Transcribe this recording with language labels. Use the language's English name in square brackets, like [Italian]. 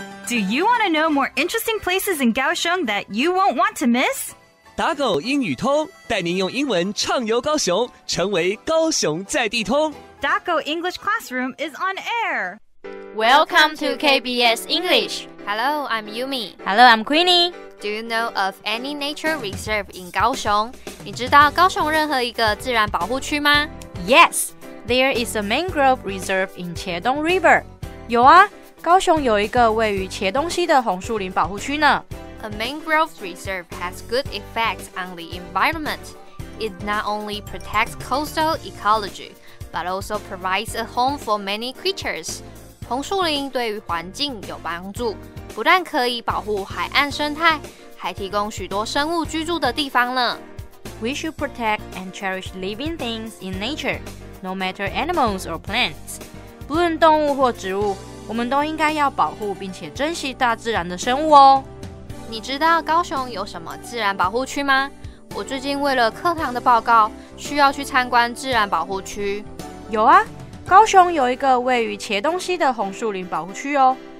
[English] Do you want to know more interesting places in Kaohsiung that you won't want to miss? [Chinese] 打狗英语通，带您用英文畅游高雄，成为高雄在地通。 [English] 打狗 English Classroom is on air. Welcome to KBS English. Hello, I'm Yumi. Hello, I'm Queenie. Do you know of any nature reserve in 高雄？ [Chinese] 你知道高雄任何一个自然保护区吗？ [English] Yes, there is a mangrove reserve in 茄苳 River. [Chinese] 有啊，高雄有一个位于茄苳溪的红树林保护区呢。 [English] A mangrove reserve has good effects on the environment. It not only protects coastal ecology, but also provides a home for many creatures. [Chinese] 红树林对于环境有帮助，不但可以保护海岸生态，还提供许多生物居住的地方呢。 [English] We should protect and cherish living things in nature, no matter animals or plants. [Chinese] 不论动物或植物，我们都应该要保护并且珍惜大自然的生物哦。你知道高雄有什么自然保护区吗？我最近为了课堂的报告，需要去参观自然保护区。有啊，高雄有一个位于茄苳溪的红树林保护区哦。